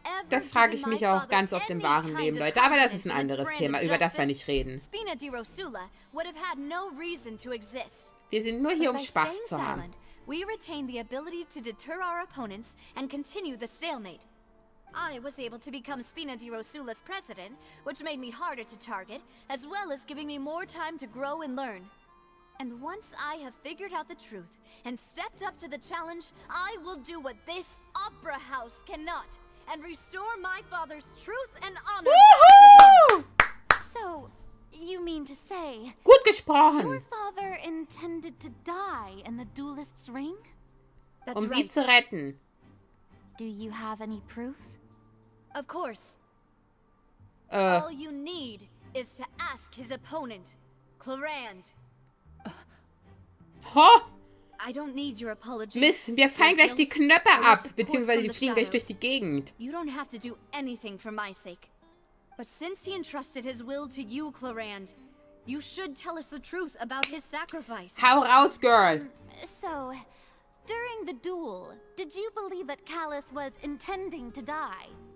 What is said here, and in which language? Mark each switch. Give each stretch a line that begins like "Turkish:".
German: Das frage ich mich auch ganz oft im wahren Leben, Leute. Aber das ist ein anderes Thema, über das wir nicht reden.
English: Spina di Rosula would have had no reason to exist.
German: Wir sind nur hier, um Spaß zu haben.
English: We retain the ability to deter our opponents and continue the stalemate. I was able to become Spina di Rosula's president, which made me harder to target, as well as giving me more time to grow and learn. And once I have figured out the truth and stepped up to the challenge, I will do what this opera house cannot and restore my father's truth and honor. Woohoo! So, you mean to say,
German: gut gesprochen.
English: Your father intended to die in the duelist's ring? That's um right.
German: Sie zu retten.
English: Do you have any proof? Of course. All you need is to ask his opponent, Clarand. I don't need your apology.
German: Miss, wir fallen gleich die Knöpfe ab, beziehungsweise wir fliegen gleich durch die Gegend.
English: You don't have to do anything for my sake. But since he entrusted his will to you, Clarand, you should tell us the truth about his sacrifice.
German: Hau raus, girl!
English: So, during the duel, did you believe that Callis was intending to die?